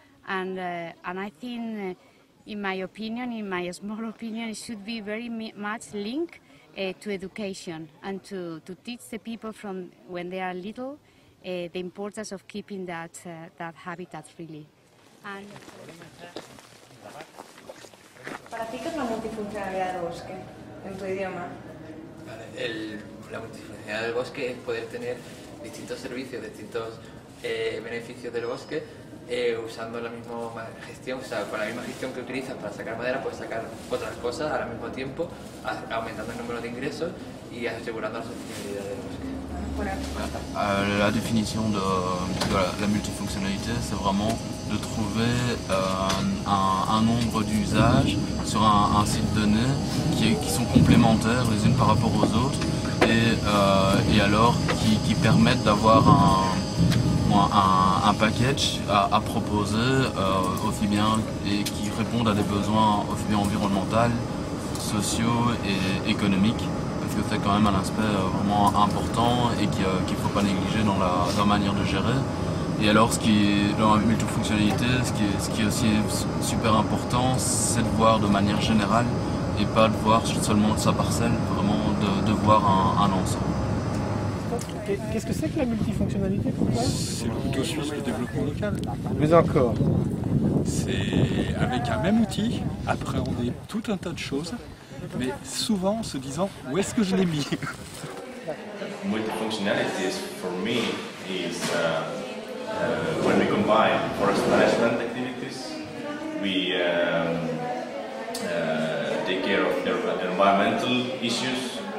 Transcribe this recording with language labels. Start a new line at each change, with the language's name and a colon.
English: And I think, in my opinion, in my small opinion, it should be very much linked to education and to teach the people from when they are little the importance of keeping that that habitat really. And
Spanish: para ti, ¿qué es la multifuncionalidad del bosque en tu idioma? Vale, la multifuncionalidad del bosque es poder tener distintos servicios, distintos beneficios del bosque usando la misma gestión, o sea, con la misma gestión que utilizas para sacar madera, puedes sacar otras cosas al mismo tiempo, aumentando el número de ingresos y asegurando la sostenibilidad del bosque.
French: La définition de la multifonctionnalité, c'est vraiment de trouver un nombre d'usages sur un site donné qui sont complémentaires les unes par rapport aux autres et alors qui permettent d'avoir un package à proposer aussi bien et qui répondent à des besoins aussi bien environnementaux, sociaux et économiques. C'est quand même un aspect vraiment important et qu'il ne faut pas négliger dans la manière de gérer. Et alors, dans la multifonctionnalité, ce qui est aussi super important, c'est de voir de manière générale et pas de voir seulement sa parcelle, vraiment de voir un ensemble. Qu'est-ce que c'est que la multifonctionnalité pour toi? C'est plutôt sur le développement local. Mais encore. C'est avec un même outil, appréhender tout un tas de choses. Mais souvent en se disant où est-ce que je l'ai mis.
English: Multifunctionality for me is when we combine forest management activities, we take care of environmental issues,